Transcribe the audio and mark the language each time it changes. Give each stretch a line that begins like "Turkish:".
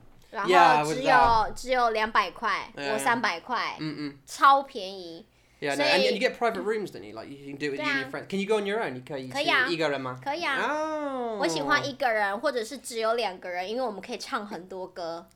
Chinese: 然后只有两百块，我三百块，超便宜。
English: Yeah, and you get private rooms, don't you? Like you can do it with you and your friends. Can you go on your own? 可以一个人吗?
Chinese: 可以啊。我喜欢一个人或者是只有两个人，因为我们可以唱很多歌。